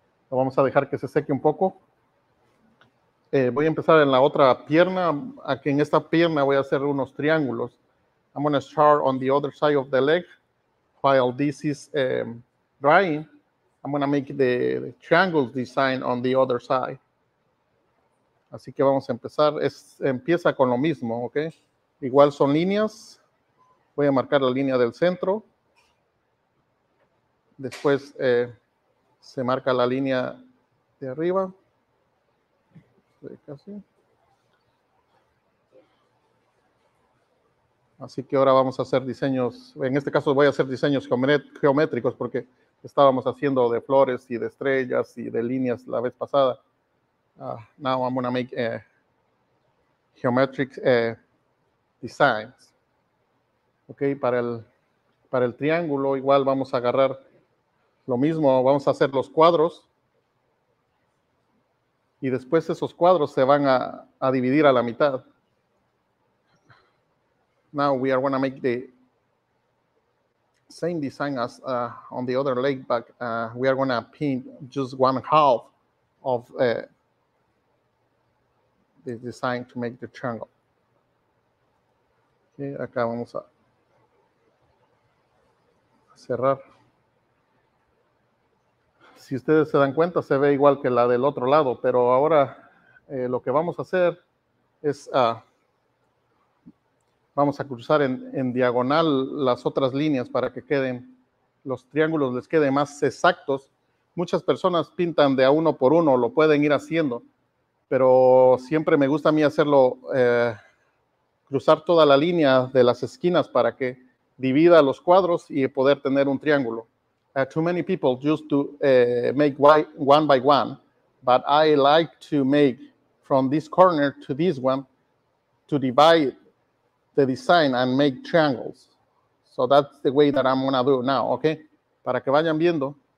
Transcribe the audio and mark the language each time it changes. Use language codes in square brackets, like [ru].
[es] Lo vamos a dejar que se seque un poco. Voy a empezar en la otra pierna. Aquí en esta pierna voy a hacer unos triángulos. [en] I'm going to start on the other side of the leg. While this is drying, I'm going to make the triangles design on the other side. [es] Así que vamos a empezar. Empieza con lo mismo, ¿ok? Igual son líneas. Voy a marcar la línea del centro. Después se marca la línea de arriba. Casi. Así que ahora vamos a hacer diseños, en este caso voy a hacer diseños geométricos porque estábamos haciendo de flores y de estrellas y de líneas la vez pasada. [en] Now I'm going to make geometric designs. [es] Ok, para el triángulo igual vamos a agarrar lo mismo, vamos a hacer los cuadros. Y después esos cuadros se van a dividir a la mitad. [en] Now we are going to make the same design as on the other leg, but we are going to paint just one half of the design to make the triangle. [es] Okay, acá vamos a cerrar. Si ustedes se dan cuenta, se ve igual que la del otro lado, pero ahora lo que vamos a hacer es vamos a cruzar en diagonal las otras líneas para que queden los triángulos les queden más exactos. Muchas personas pintan de a uno por uno, lo pueden ir haciendo, pero siempre me gusta a mí hacerlo, cruzar toda la línea de las esquinas para que divida los cuadros y poder tener un triángulo. [en] Too many people used to make one by one, but I like to make from this corner to this one to divide the design and make triangles. So that's the way that I'm gonna do now, okay? [es] Para que vayan viendo.